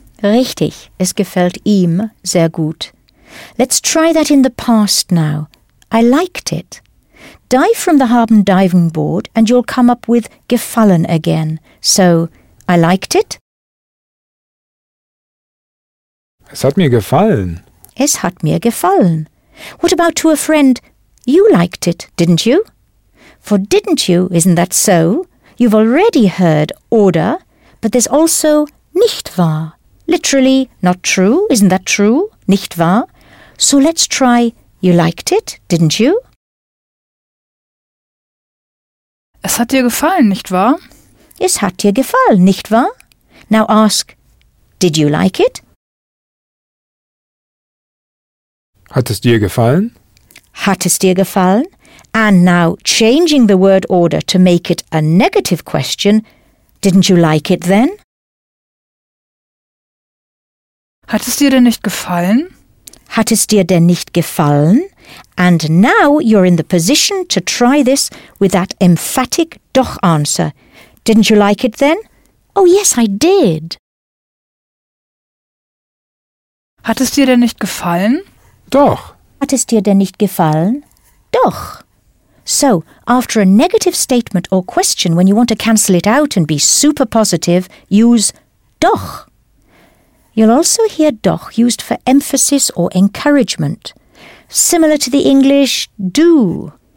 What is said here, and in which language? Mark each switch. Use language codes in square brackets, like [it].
[de] Richtig, es gefällt ihm sehr gut. [en] Let's try that in the past now. I liked it. Dive from the Haben diving board and you'll come up with gefallen again. So, I liked it. [de] Es hat mir gefallen. Es hat mir gefallen. [en] What about to a friend? You liked it, didn't you? For didn't you, isn't that so? You've already heard oder, but there's also nicht wahr. Literally, not true, isn't that true? [de] Nicht wahr? [en] So let's try, you liked it, didn't you? [de] Es hat dir gefallen, nicht wahr? Es hat dir gefallen, nicht wahr? [en] Now ask, did you like it? [de] Hat es dir gefallen? Hat es dir gefallen? [en] And now changing the word order to make it a negative question, didn't you like it then? [de] Hat es dir denn nicht gefallen? Hat es dir denn nicht gefallen? [en] And now you're in the position to try this with that emphatic doch answer. Didn't you like it then? Oh yes, I did. [de] Hat es dir denn nicht gefallen? Doch. Hat es dir denn nicht gefallen? Doch. [en] So, after a negative statement or question, when you want to cancel it out and be super positive, use doch. You'll also hear doch used for emphasis or encouragement. Similar to the English do.